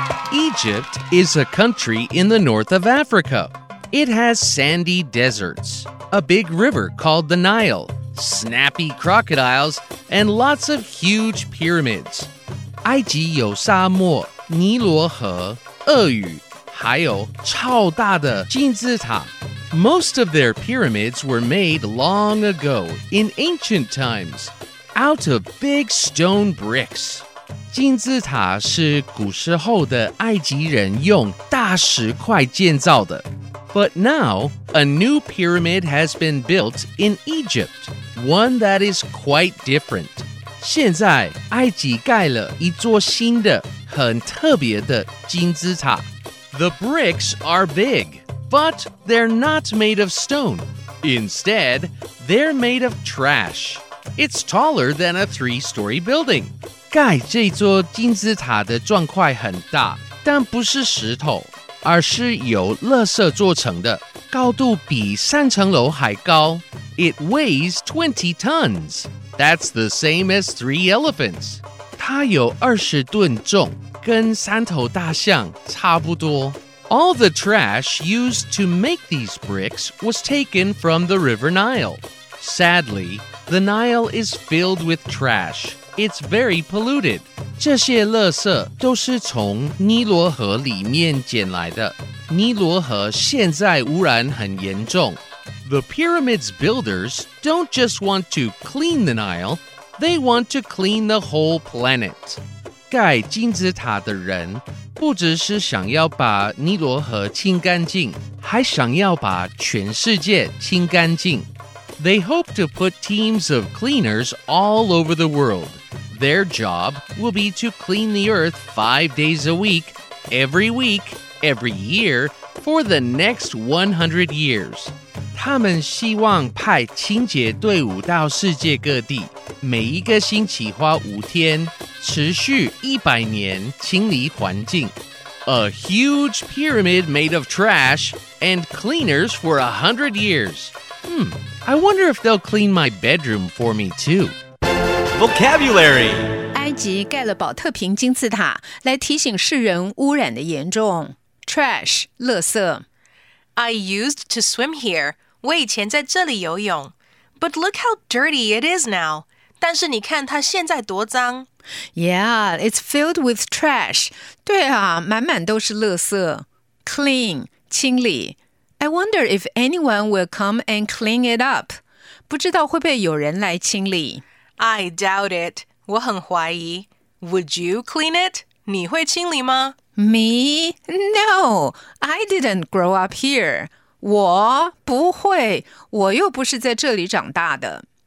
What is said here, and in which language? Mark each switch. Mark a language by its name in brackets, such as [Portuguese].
[English] Egypt is a country in the north of Africa. It has sandy deserts, a big river called the Nile, snappy crocodiles, and lots of huge pyramids. [Chinese] 埃及有沙漠、尼罗河、鳄鱼，还有超大的金字塔。 [English] Most of their pyramids were made long ago, in ancient times, out of big stone bricks. [Chinese] 金字塔是古时候的埃及人用大石块建造的。 [English] But now, a new pyramid has been built in Egypt, one that is quite different. [Chinese] 现在埃及盖了一座新的、很特别的金字塔。 [English] The bricks are big, but they're not made of stone. Instead, they're made of trash. It's taller than a three-story building. [Chinese] 盖这座金字塔的砖块很大，但不是石头。而是由垃圾做成的，高度比三层楼还高。 [English] It weighs 20 tons. That's the same as three elephants. [Chinese] 它有二十吨重，跟三头大象差不多。 [English] All the trash used to make these bricks was taken from the River Nile. Sadly, the Nile is filled with trash. It's very polluted. [Chinese] 这些垃圾都是从尼罗河里面捡来的。尼罗河现在污染很严重。 [English] The pyramid's builders don't just want to clean the Nile, they want to clean the whole planet. [Chinese] 盖金字塔的人不只是想要把尼罗河清干净，还想要把全世界清干净。 [English] They hope to put teams of cleaners all over the world. Their job will be to clean the earth 5 days a week, every year, for the next 100 years. [Chinese] 他们希望派清洁队伍到世界各地，每一个星期花5天，持续100年清理环境。 [English] A huge pyramid made of trash and cleaners for 100 years. I wonder if they'll clean my bedroom for me too. Vocabulary. [Chinese] 埃及盖了宝特瓶金字塔，来提醒世人污染的严重。 [English] Trash, 垃圾。 I used to swim here. [Chinese] 我以前在这里游泳。 [English] But look how dirty it is now. [Chinese] 但是你看它现在多脏。 [English] Yeah, it's filled with trash. 对啊， [Chinese] 满满都是垃圾。 [English] Clean, 清理。 I wonder if anyone will come and clean it up. [Chinese] 不知道会不会有人来清理。 [English] I doubt it. [Chinese] 我很怀疑。 [English] Would you clean it? [Chinese] 你会清理吗？ [English] Me? No. I didn't grow up here. [Chinese] 我不会。我又不是在这里长大的。